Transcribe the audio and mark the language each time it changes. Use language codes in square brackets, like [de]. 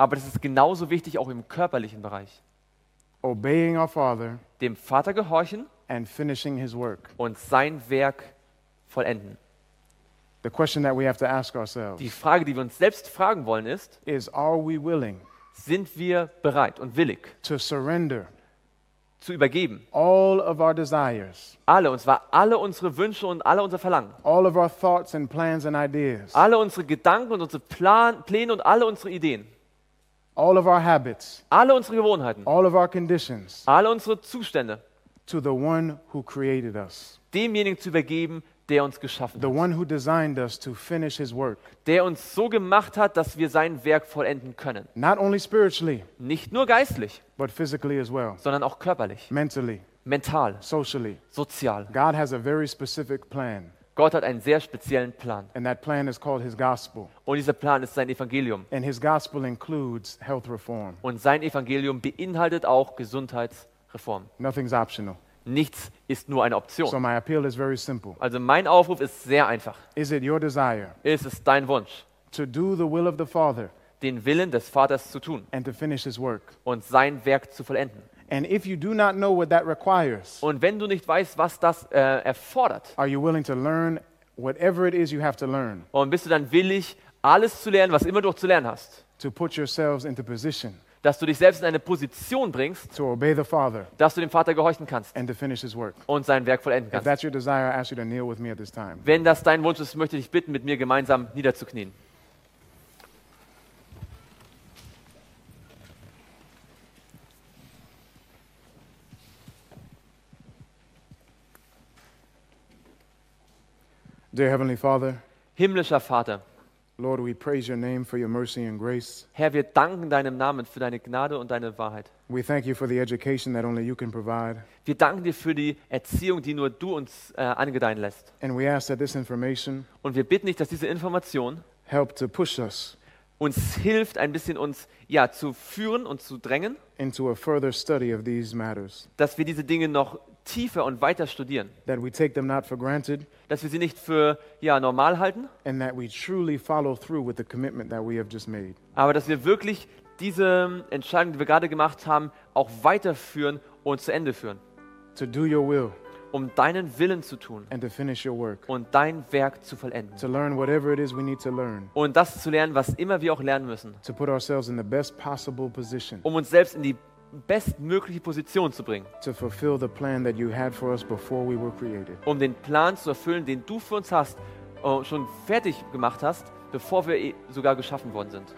[de] Aber das ist genauso wichtig auch im körperlichen Bereich. [en] Obeying our Father, [de] dem Vater gehorchen [en] and finishing his work. [de] Und sein Werk vollenden. [en] The question that we have to ask ourselves. [de] Die Frage, die wir uns selbst fragen wollen ist, [en] is are we willing? [de] Sind wir bereit und willig? [en] To surrender. [de] Zu übergeben. [en] All of our desires. [de] Alle, und zwar alle unsere Wünsche und alle unsere Verlangen. [en] All of our thoughts and plans and ideas. [de] Alle unsere Gedanken und unsere Pläne und alle unsere Ideen. [en] All of our habits. [de] Alle unsere Gewohnheiten. [en] All of our conditions. [de] Alle unsere Zustände. [en] To the one who created us. [de] Demjenigen zu übergeben, der uns geschaffen [en] the [de] hat. [en] The one who designed us to finish his work. [de] Der uns so gemacht hat, dass wir sein Werk vollenden können. [en] Not only spiritually. [de] Nicht nur geistlich. [en] But physically as well. [de] Sondern auch körperlich. [en] Mentally. [de] Mental. [en] Socially. [de] Sozial. [en] God has a very specific plan. [de] Gott hat einen sehr speziellen Plan. [en] And that plan is called his gospel. [de] Und dieser Plan ist sein Evangelium. [en] And his gospel includes health reform. [de] Und sein Evangelium beinhaltet auch Gesundheitsreform. [en] Nothing's optional. [de] Nichts ist nur eine Option. [en] So my appeal is very simple. [de] Also mein Aufruf ist sehr einfach. [en] Is it your desire? [de] Ist es dein Wunsch? [en] To do the will of the Father. [de] Den Willen des Vaters zu tun. [en] And to finish his work. [de] Und sein Werk zu vollenden. [en] And if you do not know what that requires. [de] Und wenn du nicht weißt, was das erfordert. [en] Are you willing to learn whatever it is you have to learn? [de] Und bist du dann willig, alles zu lernen, was immer du auch zu lernen hast? [en] To put yourselves into position. [de] Dass du dich selbst in eine Position bringst, [en] to obey the Father, [de] dass du dem Vater gehorchen kannst [en] and to finish his work. [de] Und sein Werk vollenden kannst. [en] If that's your desire, I ask you to kneel with me at this time. [de] Wenn das dein Wunsch ist, möchte ich dich bitten, mit mir gemeinsam niederzuknien. [en] Dear Heavenly Father, [de] himmlischer Vater, [en] Lord, we praise your name for your mercy and grace. [de] Herr, wir danken deinem Namen für deine Gnade und deine Wahrheit. [en] We thank you for the education that only you can provide. [de] Wir danken dir für die Erziehung, die nur du uns angedeihen lässt. [en] And we ask that this information [de] und wir bitten dich, dass diese Information [en] help to push us [de] uns hilft, ein bisschen uns zu führen und zu drängen, [en] into a further study of these matters. [de] Dass wir diese Dinge noch tiefer und weiter studieren. [en] That we take them not for granted, [de] dass wir sie nicht für normal halten. [en] And that we truly follow through with the commitment that we have just made. [de] Aber dass wir wirklich diese Entscheidung, die wir gerade gemacht haben, auch weiterführen und zu Ende führen. [en] To do your will, [de] um deinen Willen zu tun. [en] And to finish your work, [de] und dein Werk zu vollenden. [en] To learn whatever it is we need to learn, [de] und das zu lernen, was immer wir auch lernen müssen. [en] To put ourselves in the best possible position, [de] um uns selbst in die bestmögliche Position zu bringen. [en] To fulfill the plan that you had for us before we were created. [de] Um den Plan zu erfüllen, den du für uns hast, schon fertig gemacht hast, bevor wir sogar geschaffen worden sind.